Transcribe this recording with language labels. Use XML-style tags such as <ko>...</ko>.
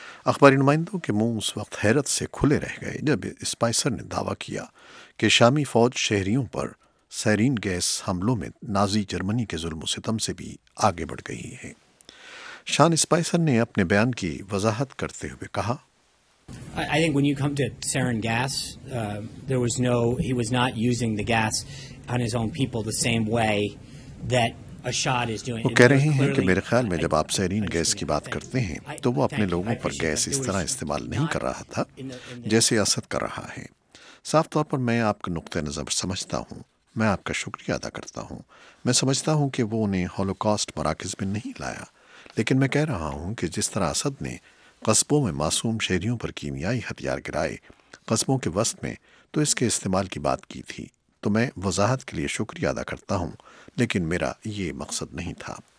<ur>اخباری نمائندوں کے منہ اس وقت حیرت سے کھلے رہ گئے جب اسپائسر نے دعویٰ کیا کہ شامی فوج شہریوں پر سیرین گیس حملوں میں نازی جرمنی کے ظلم و ستم سے بھی آگے بڑھ گئی ہے۔ شان اسپائسر نے اپنے بیان کی وضاحت کرتے ہوئے کہا،</ur> <en>I think when you come to sarin gas, there was no, he was not using the gas on his own people the same way that</en> <ur>وہ کہہ رہے ہیں کہ میرے خیال میں جب آپ سیرین گیس کی بات کرتے ہیں تو وہ اپنے لوگوں پر گیس اس طرح استعمال نہیں کر رہا تھا جیسے اسد کر رہا ہے۔ صاف طور پر میں آپ کا نقطۂ نظر سمجھتا ہوں، میں آپ کا شکریہ ادا کرتا ہوں۔ میں سمجھتا ہوں کہ وہ انہیں ہولوکاسٹ مراکز میں نہیں لایا، لیکن میں کہہ رہا ہوں کہ جس طرح اسد نے قصبوں میں معصوم شہریوں پر کیمیائی ہتھیار گرائے قصبوں کے وسط میں، تو اس کے استعمال کی بات کی تھی، تو میں وضاحت کے لیے شکریہ ادا کرتا ہوں، لیکن میرا یہ مقصد نہیں تھا۔</ur>